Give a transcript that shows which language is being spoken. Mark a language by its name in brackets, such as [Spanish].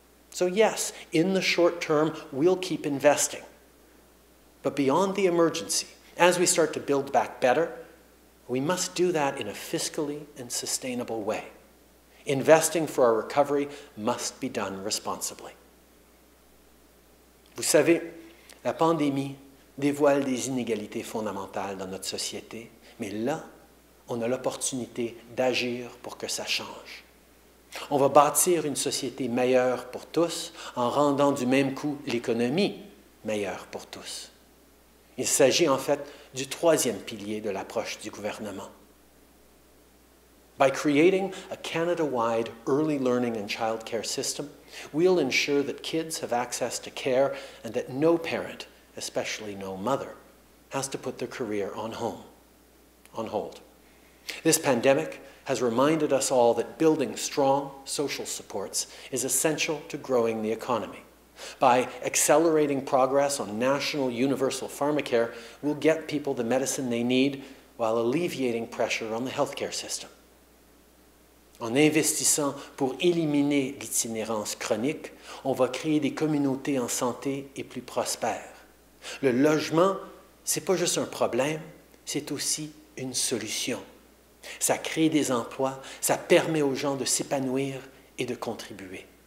[English] So yes, in the short term, we'll keep investing. But beyond the emergency, as we start to build back better, we must do that in a fiscally and sustainable way. Investing for our recovery must be done responsibly. [French] Vous savez, la pandémie dévoile des inégalités fondamentales dans notre société, mais là, on a l'opportunité d'agir pour que ça change. On va bâtir une société meilleure pour tous en rendant du même coup l'économie meilleure pour tous. Il s'agit en fait du troisième pilier de l'approche du gouvernement. [English] By creating a Canada-wide early learning and child care system, we'll ensure that kids have access to care and that no parent, especially no mother, has to put their career on hold. This pandemic has reminded us all that building strong social supports is essential to growing the economy. By accelerating progress on national universal pharmacare, we'll get people the medicine they need while alleviating pressure on the healthcare system. [French] En investissant pour éliminer l'itinérance chronique, on va créer des communautés en santé et plus prospères. Le logement, c'est pas juste un problème, c'est aussi une solution. Ça crée des emplois, ça permet aux gens de s'épanouir et de contribuer.